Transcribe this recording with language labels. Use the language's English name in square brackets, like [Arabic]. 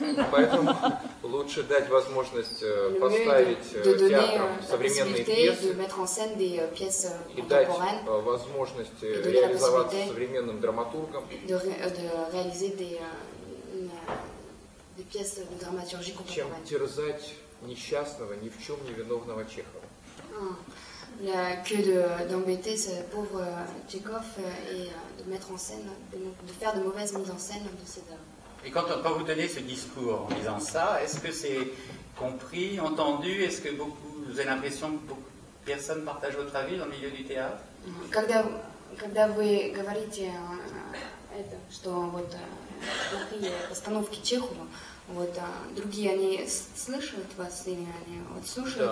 [Russian] Поэтому лучше дать возможность поставить театрам современные пьесы и дать возможность реализоваться современным драматургам. Чем терзать несчастного, ни в чем не виновного Чехова. [French] que de, d'embêter ce pauvre Tchekhov et de mettre en scène, de faire de mauvaises mises en scène de ses œuvres. Et quand, quand vous tenez ce discours en disant ça, est-ce que c'est compris, entendu? Est-ce que beaucoup, vous avez l'impression que beaucoup de personnes partagent votre avis dans le milieu du théâtre? [Russian] Когда вы говорите это, что вот плохие постановки Чехова, вот другие они слышат вас или они вот слушают,